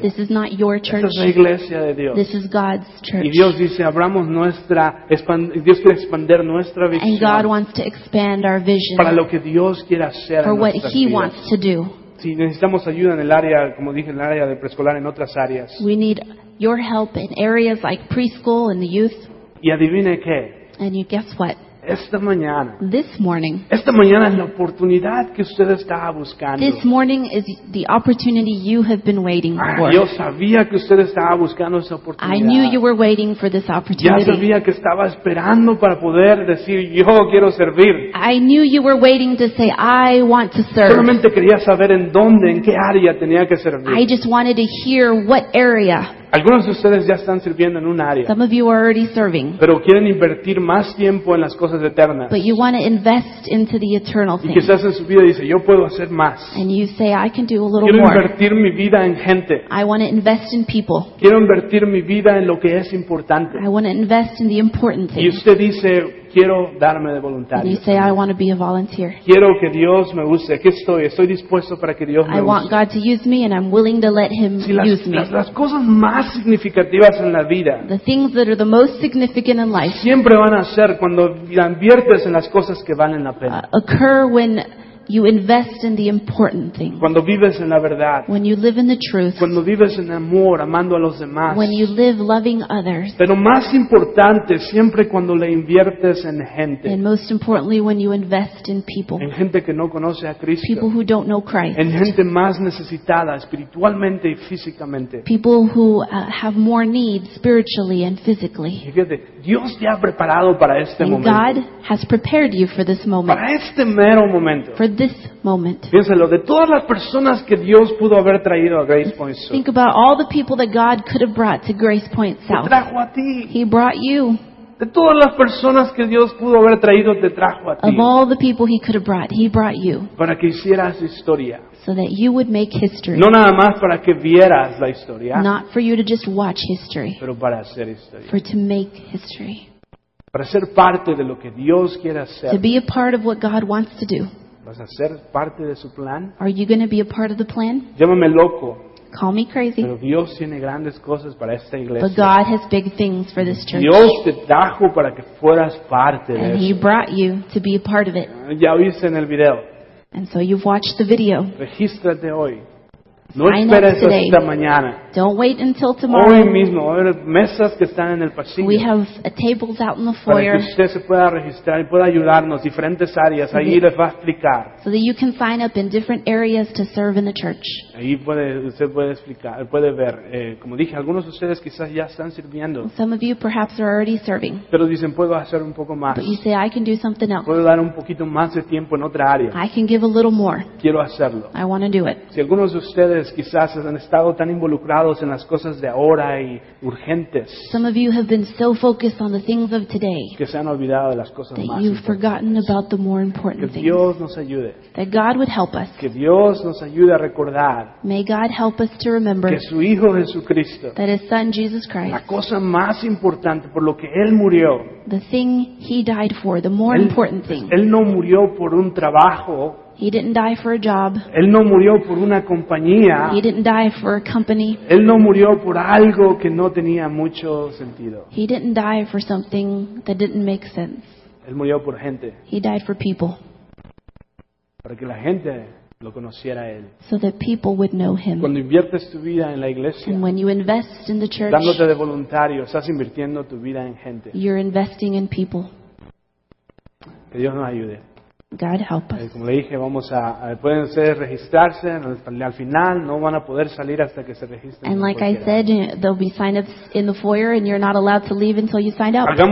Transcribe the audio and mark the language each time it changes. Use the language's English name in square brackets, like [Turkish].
[English] This is not your church. [Spanish] Esta es la iglesia de Dios. [English] This is God's church. [Spanish] Y Dios dice, abramos nuestra Dios quiere expandir nuestra visión. [English] And God wants to expand our vision. [Spanish] Para lo que Dios quiere hacer. [English] For what he wants to do. [Spanish] Si necesitamos ayuda en el área, como dije, en el área de preescolar, en otras áreas. [English] We need your help in areas like preschool and the youth. [Spanish] Y adivine qué. [English] And you guess what? [Spanish] Esta mañana. [English] This morning. [Spanish] Esta mañana es la oportunidad que usted estaba buscando. [English] This morning is the opportunity you have been waiting for. [Spanish] Yo sabía que usted estaba buscando esa oportunidad. [English] I knew you were waiting for this opportunity. [Spanish] Ya sabía que estaba esperando para poder decir yo quiero servir. [English] I knew you were waiting to say I want to serve. [Spanish] Solamente quería saber en dónde, en qué área tenía que servir. [English] I just wanted to hear what area. [Spanish] Algunos de ustedes ya están sirviendo en un área. [English] Some of you are already serving. [Spanish] Pero quieren invertir más tiempo en las cosas eternas. [English] But you want to invest into the eternal things. [Spanish] Y quizás en su vida dice, yo puedo hacer más. [English] And you say, I can do a little more. [Spanish] Quiero invertir mi vida en gente. [English] I want to invest in people. [Spanish] Quiero invertir mi vida en lo que es importante. [English] I want to invest in the important things. [Spanish] Y usted dice, quiero darme de voluntario. [English] And you say, I want to be a volunteer. [Spanish] Quiero que Dios me use. ¿Qué estoy? Estoy dispuesto para que Dios me use. [English] I want God to use me and I'm willing to let Him use me. [Spanish] Las cosas más significativas en la vida. [English] The things that are the most significant in life. [Spanish] Siempre van a ser cuando inviertes en las cosas que valen la pena. [English] Occur when you invest in the important things. [Spanish] Cuando vives en la verdad. [English] When you live in the truth. [Spanish] Cuando vives en amor, amando a los demás. [English] When you live loving others. [Spanish] Pero más importante, siempre cuando le inviertes en gente. [English] And most importantly, when you invest in people. [Spanish] En gente que no conoce a Cristo. [English] People who don't know Christ. [Spanish] En gente más necesitada, espiritualmente y físicamente. [English] People who have more need spiritually and physically. [Spanish] Y fíjate, Dios te ha preparado para este [English] and [Spanish] momento. [English] God has prepared you for this moment. [Spanish] Para este mero momento. [English] For this moment. [Spanish] Piénselo, de todas las personas que Dios pudo haber traído a Grace Point South. [English] Think about all the people that God could have brought to Grace Point South. [Spanish] Te trajo a ti. [English] He brought you. [Spanish] De todas las personas que Dios pudo haber traído, te trajo a ti. [English] Of all the people He could have brought, He brought you. [Spanish] Para que hicieras historia. [English] So that you would make history. [Spanish] No nada más para que vieras la historia. [English] Not for you to just watch history. [Spanish] Pero para hacer historia. [English] For to make history. [Spanish] Para ser parte de lo que Dios quiere hacer. [English] To be a part of what God wants to do. [Spanish] ¿Vas a ser parte de su plan? [English] Are you going to be a part of the plan? [Spanish] Llámame loco. [English] Call me crazy. [Spanish] Pero Dios tiene grandes cosas para esta iglesia. [English] But God has big things for this church. [Spanish] Dios te trajo para que fueras parte [English] and [Spanish] de eso. [English] And He brought you to be a part of it. [Spanish] Ya viste en el video. [English] And so you've watched the video. [Spanish] Regístrate hoy. No [English] sign [Spanish] esperes [English] today. [Spanish] Hasta mañana. [English] Don't wait until tomorrow. [Spanish] Hoy mismo. Hay mesas que están en el pasillo. [English] We have tables out in the foyer. [Spanish] Para que usted se pueda registrar y pueda ayudarnos. Diferentes áreas. Ahí les va a explicar. [English] So that you can sign up in different areas to serve in the church. [Spanish] Ahí puede, usted puede explicar, puede ver. Como dije, algunos de ustedes quizás ya están sirviendo. [English] Some of you perhaps are already serving. [Spanish] Pero dicen, puedo hacer un poco más. [English] But you say, I can do something else. [Spanish] Puedo dar un poquito más de tiempo en otra área. [English] I can give a little more. [Spanish] Quiero hacerlo. [English] I want to do it. [Spanish] Si algunos de ustedes quizás han estado tan involucrados en las cosas de ahora y urgentes. [English] Some of you have been so focused on the things of today. [Spanish] Que se han olvidado de las cosas más importantes. [English] That you've forgotten about the more important things. [Spanish] Que Dios nos ayude. [English] That God would help us. [Spanish] Que Dios nos ayude a recordar. [English] May God help us to remember. [Spanish] Que su Hijo Jesucristo. [English] That His Son Jesus Christ. [Spanish] La cosa más importante por lo que Él murió. [English] The thing He died for, the more important thing. [Spanish] Él no murió por un trabajo. [English] He didn't die for a job. [Spanish] Él no murió por una compañía. [English] He didn't die for a company. [Spanish] Él no murió por algo que no tenía mucho sentido. [English] He didn't die for something that didn't make sense. [Spanish] Él murió por gente. [English] He died for people. [Spanish] Para que la gente lo conociera a él. [English] So that people would know him. [Spanish] Cuando inviertes tu vida en la iglesia. [English] And when you invest in the church. [Spanish] Dándote de voluntario, estás invirtiendo tu vida en gente. [English] You're investing in people. [Spanish] Que Dios nos ayude. [English] God help us. [Spanish] Como le dije, vamos a pueden ustedes registrarse al final, no van a poder salir hasta que se registren. [English] And like I said, there'll be sign-ups in the foyer and you're not allowed to leave until you sign up.